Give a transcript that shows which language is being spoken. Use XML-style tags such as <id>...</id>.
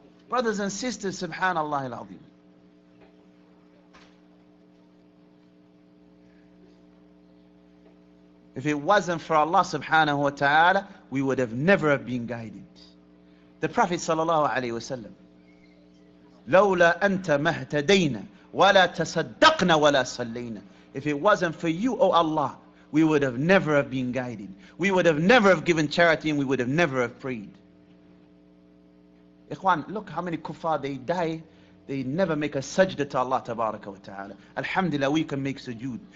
<en>Brothers and sisters, subhanallah al-azim. If it wasn't for Allah subhanahu wa ta'ala, we would have never have been guided.</en> <ar>The Prophet sallallahu alayhi wa sallam, لولا أنت مهتدينا ولا تصدقنا ولا صلينا.</ar> <en>If it wasn't for you, O Allah, we would have never have been guided. We would have never have given charity, and we would have never have prayed. Ikhwan, look how many kuffar, they die. They never make a sajda to Allah tabaraka wa ta'ala. Alhamdulillah, we can make sujood.</en>